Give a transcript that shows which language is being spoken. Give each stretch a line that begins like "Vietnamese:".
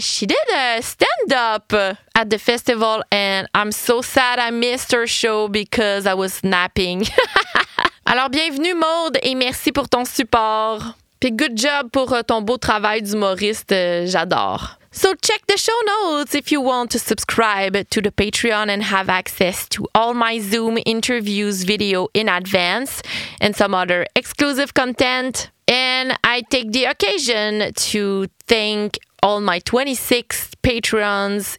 English: She did a stand-up at the festival, and I'm so sad I missed her show because I was napping.
French: Alors, bienvenue, Maud, et merci pour ton support. Puis,
English: good job
French: pour ton beau travail d'humoriste. J'adore.
English: So check the show notes if you want to subscribe to the Patreon and have access to all my Zoom interviews video in advance and some other exclusive content. And I take the occasion to thank all my 26 Patreons.